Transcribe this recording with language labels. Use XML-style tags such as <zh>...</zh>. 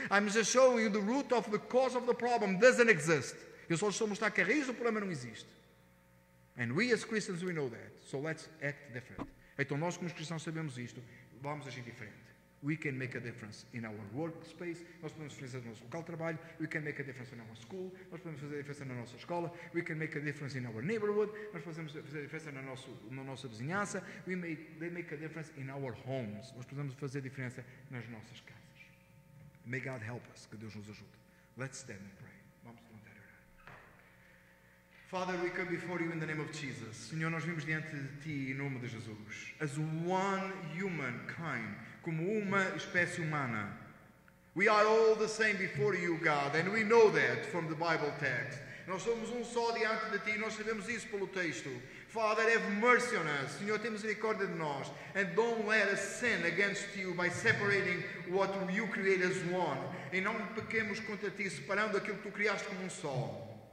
<en>I'm just showing you the root of the cause of the problem doesn't exist.</en> <pt>Eu só estou a mostrar que a raiz do problema não existe.</pt> <en>And we as Christians, we know that. So let's act different.</en> <pt>Então nós como cristãos sabemos isto, vamos agir diferente.</pt> <en>We can make a difference in our workspace.</en> <pt>Nós podemos fazer no nosso local de trabalho.</pt> <en>We can make a difference in our school.</en> <pt>Nós podemos fazer a diferença na nossa escola.</pt> <en>We can make a difference in our neighborhood.</en> <pt>Nós podemos fazer a diferença na nossa vizinhança.</pt> <en>We may they make a difference in our homes.</en> <pt>Nós podemos fazer a diferença nas nossas casas.</pt> <en>May God help us.</en> <pt>Que Deus nos ajude.</pt> <en>Let's stand and pray.</en> <pt>Vamos levantar e orar.</pt> <en>Father, we come before you in the name of Jesus.</en> <pt>Senhor, nós vimos diante de ti em nome de Jesus.</pt> <en>As one human kind,</en> <pt>como uma espécie humana.</pt> <en>We are all the same before you, God, and we know that from the Bible text.</en> <pt>Nós somos só diante de ti, nós sabemos isso pelo texto.</pt> <en>Father, have mercy on us.</en> <pt>Senhor, tem misericórdia de nós.</pt> <en>And don't let us sin against you by separating what you created as one.</en> <pt>E não pequemos contra ti, separando aquilo que tu criaste como só.</pt>